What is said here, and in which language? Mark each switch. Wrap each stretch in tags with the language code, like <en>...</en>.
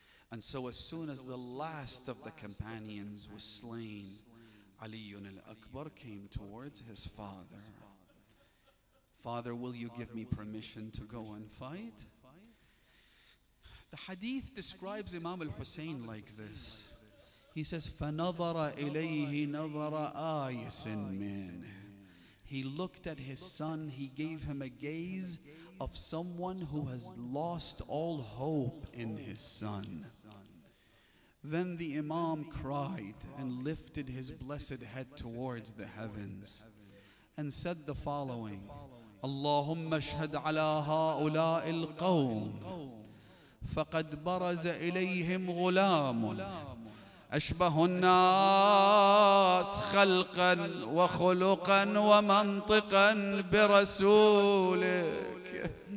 <en>And so as soon as the last of the companions was slain, Aliyun al-Akbar came towards his father. Father, will you give me permission to go and fight? The hadith describes Imam al-Hussein like this. He says,</en> <ar>فَنَظَرَ إِلَيْهِ نَظَرَ آيَسٍ مِّنْ.</ar> <en>He looked at his son, he gave him a gaze of someone who has lost all hope in his son. Then the Imam cried and lifted his blessed head towards the heavens and said the following,</en> <ar>اللهم اشهد على هؤلاء القوم فقد برز إليهم غلام أشبه الناس خلقا وخلقا ومنطقا برسولك.</ar>